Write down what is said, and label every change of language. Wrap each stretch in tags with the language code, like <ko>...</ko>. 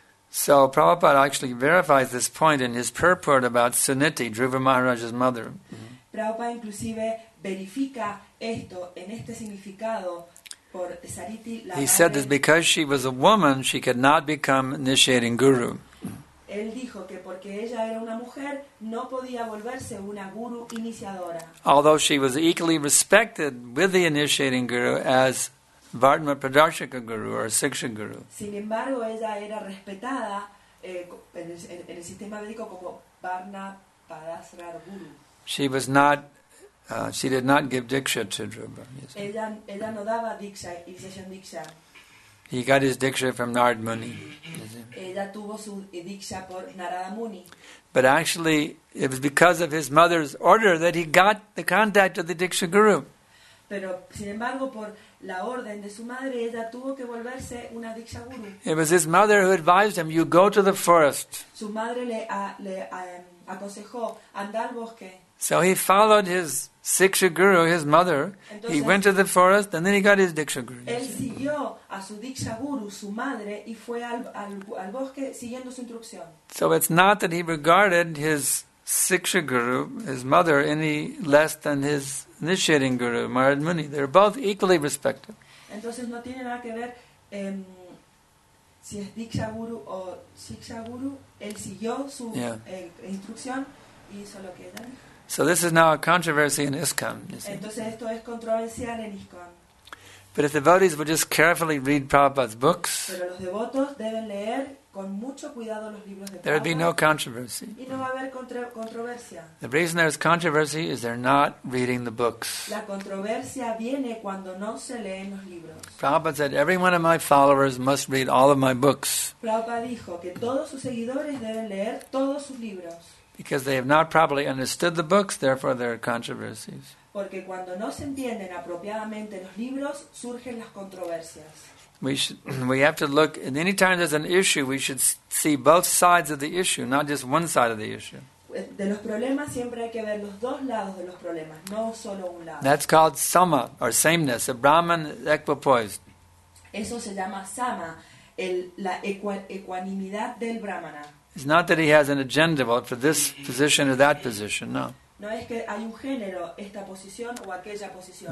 <en>So Prabhupada actually verifies this point in his purport about Suniti, Dhruva Maharaj's mother.</en> <es>Mm-hmm. Prabhupada inclusive verifica esto en este significado por Sariti.</es> <en>He said that because she was a woman, she could not become initiating guru.</en> <es>Él dijo que porque ella era una mujer no podía volverse una guru iniciadora.</es> <en>Although she was equally respected with the initiating guru as Vartma Pradarshika guru or Siksha guru.</en> <es>Sin embargo, ella era respetada en el sistema védico como Varna Padasra guru.</es> <en>She was not. She did not give diksha to Dhruva.</en> <es>Ella no daba diksha, iniciación diksha.</es> <en>He got his diksha from Narada Muni.</en> <es>Ella tuvo su diksha por Narada Muni.</es> <en>But actually, it was because of his mother's order that he got the contact of the diksha guru.</en> <es>Pero, sin embargo, por la orden de su madre, ella tuvo que volverse una diksha guru.</es> <en>It was his mother who advised him, you go to the forest.</en> <es>Su madre le aconsejó, anda al bosque.</es> <en>So he followed his siksha guru, his mother.</en> <es>Entonces,</es> <en>he went to the forest and then he got his diksha guru.</en> <es>Él siguió a su diksha guru, su madre, y fue al bosque siguiendo su instrucción.</es> <en>So it's not that he regarded his siksha guru, his mother, any less than his initiating guru, Narada Muni. They're both equally respected.</en> <es>Entonces no tiene nada que ver si es diksha guru o siksha guru. Él siguió su instrucción y hizo lo que era.</es> <en>So this is now a controversy in ISKCON, you see.</en> <es>Entonces esto es controversial en ISKCON.</es> <en>But if devotees would just carefully read Prabhupada's books,</en> <es>pero los devotos deben leer con mucho cuidado los libros de Prabhupada,</es> <en>there would be no controversy.</en> <es>Y no va a haber controversia.</es> <en>The reason there is controversy is they're not reading the books.</en> <es>La controversia viene cuando no se leen los libros.</es> <en>Prabhupada said, every one of my followers must read all of my books.</en> <es>Prabhupada dijo que todos sus seguidores deben leer todos sus libros.</es> <en>Because they have not properly understood the books, therefore there are controversies.</en> <es>Porque cuando no se entienden apropiadamente los libros, surgen las controversias.</es> <en>We have to look, and any time there's an issue, we should see both sides of the issue, not just one side of the issue.</en> <es>De los problemas siempre hay que ver los dos lados de los problemas, no solo un lado.</es> <en>That's called sama, or sameness, a Brahman equipoise.</en> <es>Eso se llama sama, la ecuanimidad del Brahmana.</es> <en>It's not that he has an agenda vote for this position or that position, no.</en> <es>No es que hay un género, esta posición o aquella posición.</es>